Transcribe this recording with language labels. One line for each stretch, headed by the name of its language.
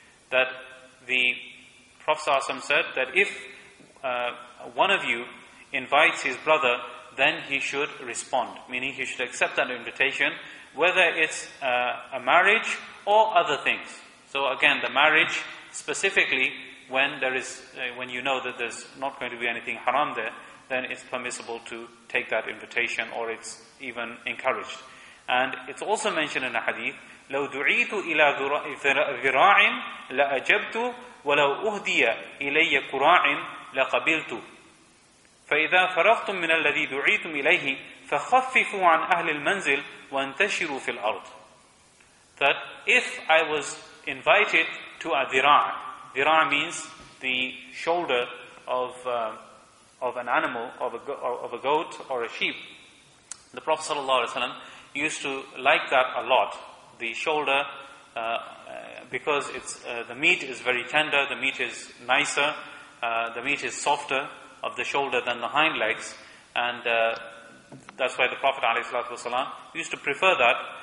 English: That the Prophet sallallahu alaihi wasallam said that if one of you invites his brother, then he should respond, meaning he should accept that invitation, whether it's a marriage or other things. So again, the marriage specifically, when there is, when you know that there's not going to be anything haram there, then it's permissible to take that invitation, or it's even encouraged. And it's also mentioned in a hadith,
Arabic: لَوْ دُعِيتُ إِلَىٰ ذِرَاعٍ لَأَجَبْتُ وَلَوْ أُهْدِيَ إِلَيَّ قُرَاعٍ لَقَبِلْتُ فَإِذَا فَرَغْتُم مِّنَ الَّذِي دُعِيتُمْ إِلَيْهِ فَخَفِّفُوا عَنْ أَهْلِ الْمَنْزِلِ وَانْتَشِرُوا فِي الْأَرْضِ.
English: That if I was invited to a dhira', dhira' means the shoulder of an animal, of a goat or a sheep. The Prophet sallallahu alaihi wasallam used to like that a lot, the shoulder, because it's the meat is very tender, the meat is nicer, the meat is softer of the shoulder than the hind legs, and that's why the Prophet ﷺ used to prefer that.